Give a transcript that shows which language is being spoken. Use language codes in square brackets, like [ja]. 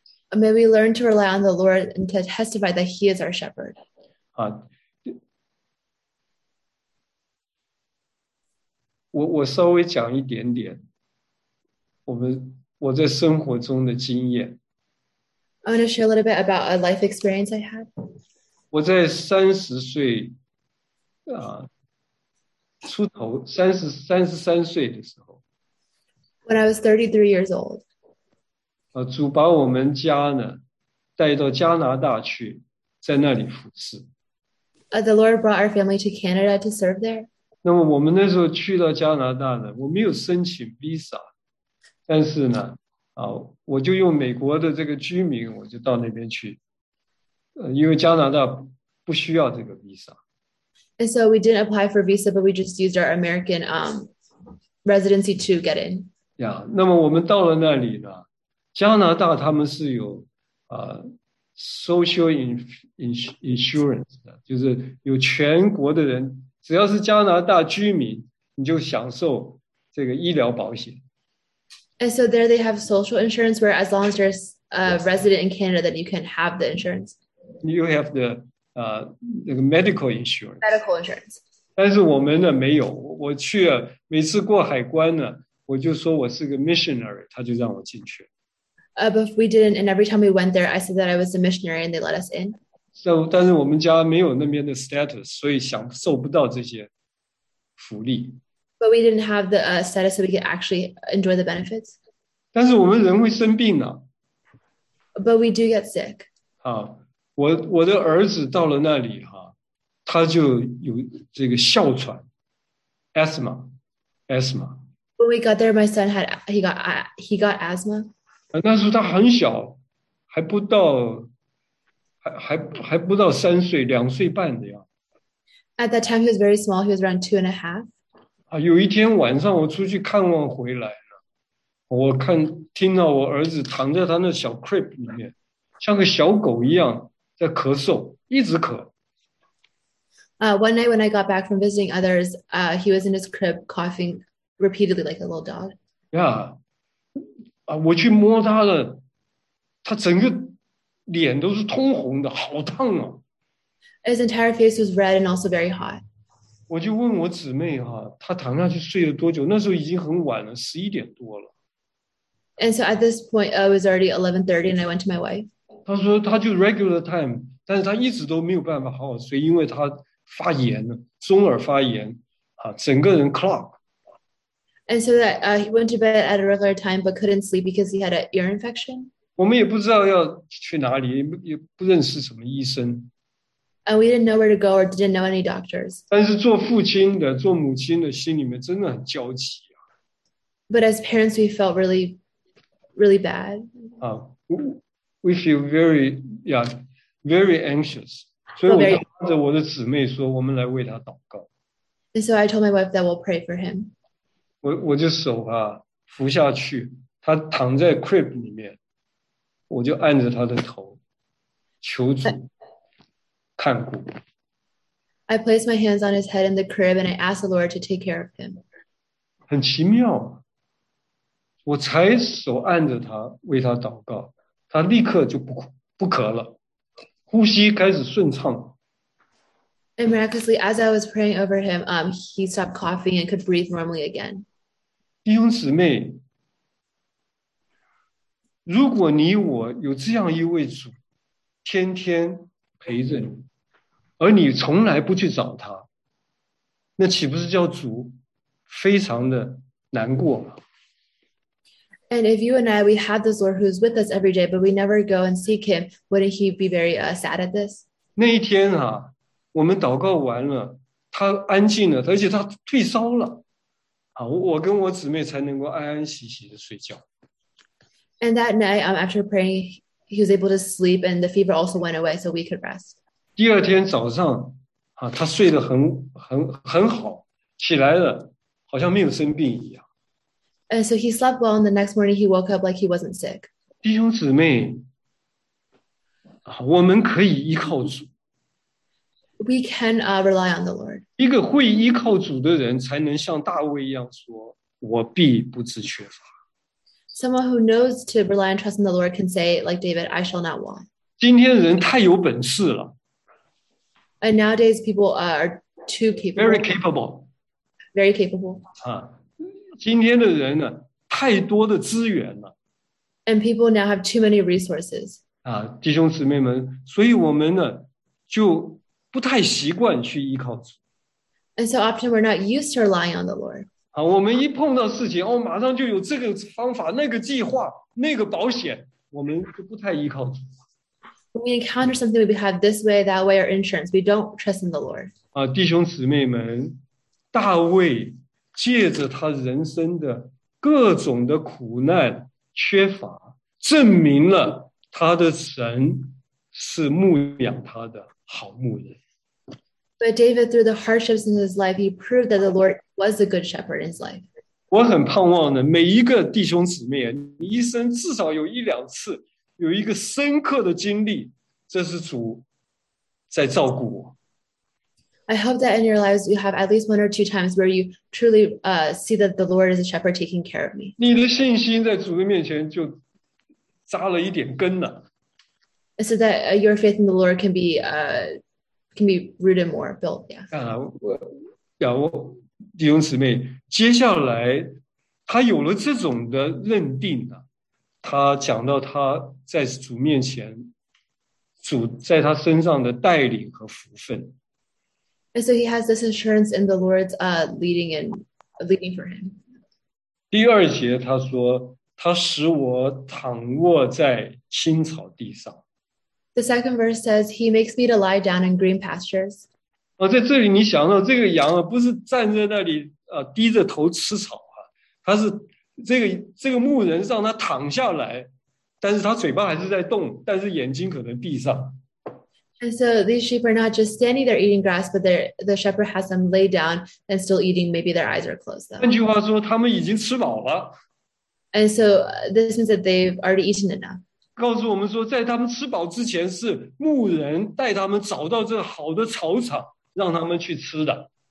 [en] May we learn to rely on the Lord and to testify that He is our shepherd. [zh] 我稍微讲一点点，我在生活中的经验。 [en] I want to share a little bit about a life experience I had. [zh] 我在30岁，出头33岁的时候， [en] When I was 33 years old. [zh] 主把我们家呢带到加拿大去，在那里服侍。 [en] The Lord brought our family to Canada to serve there. [zh] 那么我们那时候去到加拿大呢，我没有申请 visa，但是呢，我就用美国的这个居民，我就到那边去，因为加拿大不需要这个 visa。 [en] And so we didn't apply for visa, but we just used our American residency to get in. [zh] 那么我们到了那里呢，加拿大他们是有 [en] social insurance [zh] 的，就是有全国的人。只要是加拿大居民，你就享受这个医疗保险。 [en] And so there they have social insurance, where as long as you're a resident in Canada, then you can have the insurance. You have the [zh] 那个 [en] medical insurance。 Medical insurance. [zh] 但是我们呢没有，我去啊，每次过海关呢，我就说我是个 missionary，他就让我进去。 [en] But we didn't, and every time we went there, I said that I was a missionary, and they let us in. [zh] 但是我们家没有那边的 status，所以享受不到这些福利。 [en] But we didn't have the status so we could actually enjoy the benefits. [zh] 但是我们人会生病的。 [en] But we do get sick. [zh] 我的儿子到了那里他就有这个哮喘，asthma。 [en] When we got there, my son had he got asthma. [zh] 那时候他很小，还不到。还不到3岁，2岁半的样。 [en] At that time, he was very small. He was around 2.5. [zh] 有一天晚上我出去看望回来了，我听到我儿子躺在他那小 crib 里面，像个小狗一样在咳嗽，一直咳。 [en] One night when I got back from visiting others, he was in his crib coughing repeatedly like a little dog. [zh] 我去摸他了，他整个脸都是通红的，好烫啊！ [en] His entire face was red and also very hot. [zh] 我就问我姊妹她躺下去睡了多久？那时候已经很晚了，11点多了。 [en] And so at this point, it was already 11:30, and I went to my wife. [zh] 她说她就 [en] regular time， [zh] 但是她一直都没有办法好好睡，因为她发炎了，中耳发炎整个人 clog。 [en] And so that he went to bed at a regular time but couldn't sleep because he had an ear infection. [zh] 我们也不知道要去哪里，也不认识什么医生。 [en] And we didn't know where to go or didn't know any doctors. [zh] 但是做父亲的、做母亲的，心里面真的很焦急 [en] But as parents, we felt really, really bad. we feel very anxious。 [zh] 所以 [en] Felt [zh] 我就 [en] very. [zh] 拉着我的姊妹说：“我们来为他祷告。 [en] And so I told my wife that we'll pray for him. [zh] ”我就手扶下去，他躺在 crib 里面。我就按着他的头，求主看顾。 [en] I placed my hands on his head in the crib and I asked the Lord to take care of him. [zh] 很奇妙，我抬手按着他，为他祷告，他立刻就不咳了，呼吸开始顺畅。 [en] And miraculously, as I was praying over him, he stopped coughing and could breathe normally again. [zh] 弟兄姊妹，如果你我有这样一位主，天天陪着你，而你从来不去找他，那岂不是叫主非常的难过吗？ [en] And if you and I, we have this Lord who's with us every day, but we never go and seek him, wouldn't he be very sad at this? [zh] 那一天啊，我们祷告完了，他安静了，而且他退烧了，啊，我跟我姊妹才能够安安息息的睡觉。 [en] And that night, after praying, he was able to sleep, and the fever also went away, so we could rest. [zh] 第二天早上，啊，他睡得很好，起来了，好像没有生病一样。 [en] And so he slept well, and the next morning he woke up like he wasn't sick. [zh] 弟兄姊妹，啊，我们可以依靠主。 [en] We can rely on the Lord. [zh] 一个会依靠主的人，才能像大卫一样说：“我必不致缺乏。” [en] Someone who knows to rely and trust in the Lord can say, like David, I shall not want. [zh] 今天人太有本事了 [en] And nowadays, people are too ，very capable, capable very capable. 啊！ [zh] 今天的人呢，太多的资源了 [en] And people now have too many resources. 啊！ [zh] 弟兄姊妹们，所以我们呢，就不太习惯去依靠主 [en] And so often we're not used to relying on the Lord. 啊！ [zh] 我们一碰到事情，哦，马上就有这个方法、那个计划、那个保险，我们就不太依靠主。 [en] When we encounter something, we have this way, that way, or insurance. We don't trust in the Lord. [zh] 啊，弟兄姊妹们，大卫借着他人生的各种的苦难、缺乏，证明了他的神是牧养他的好牧人。 [en] But David, through the hardships in his life, he proved that the Lord was a good shepherd in his life. [zh] 我很盼望的，每一个弟兄姊妹，你一生至少有一两次有一个深刻的经历，这是主在照顾我。 [en] I hope that in your lives you have at least one or two times where you truly see that the Lord is a shepherd taking care of me. [zh] 你的信心在主的面前就扎了一点根了。 [en] And so that your faith in the Lord can be rooted more, built, yeah. [zh] 啊，弟兄姊妹，接下来他有了这种的认定了，他讲到他在主面前，主在他身上的带领和福分。 [en] And so he has this assurance in the Lord's leading for him. [zh] 第二节他说：“他使我躺卧在青草地上。 [en] The second verse says, He makes me to lie down in green pastures. [zh] ”啊，在这里你想到这个羊啊，不是站在那里低着头吃草啊，他是这个牧人让他躺下来，但是他嘴巴还是在动，但是眼睛可能闭上。 [en] And so these sheep are not just standing there eating grass, but the shepherd has them lay down and still eating. Maybe their eyes are closed, [zh] 换 [en] though. [zh] 句话说，他们已经吃饱了。 [en] And so this means that they've already eaten enough. [zh] 告诉我们说，在他们吃饱之前，是牧人带他们找到这好的草场，让他们去吃的。